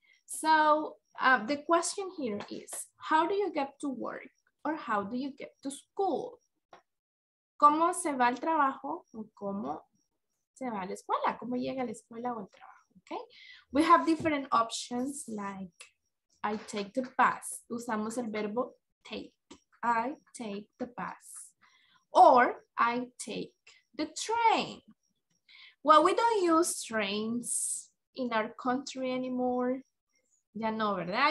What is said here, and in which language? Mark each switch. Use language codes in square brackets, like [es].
[en] So the question here is, how do you get to work or how do you get to school? [es] ¿Cómo se va al trabajo o cómo se va a la escuela? ¿Cómo llega a la escuela o al trabajo? [en] Okay? We have different options like I take the bus. [es] Usamos el verbo [en] take. I take the bus. Or I take the train. Well, we don't use trains in our country anymore. [es] Ya no, ¿verdad?